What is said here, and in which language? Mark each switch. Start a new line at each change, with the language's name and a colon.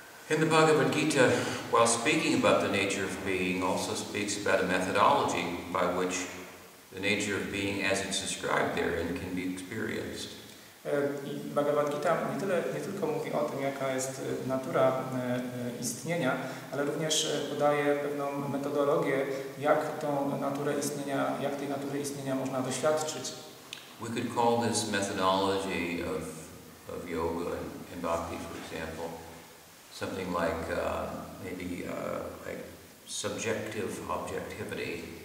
English: In the Bhagavad Gita, while speaking about the nature of being, also speaks about a methodology by which the nature of being as it's described therein can be experienced.
Polish: I Bhagavad Gita nie tylko mówi o tym, jaka jest natura istnienia, ale również podaje pewną metodologię, jak tą naturę istnienia, jak tej natury istnienia można doświadczyć.
English: We could call this methodology of yoga and bhakti, for example, something like maybe like subjective objectivity.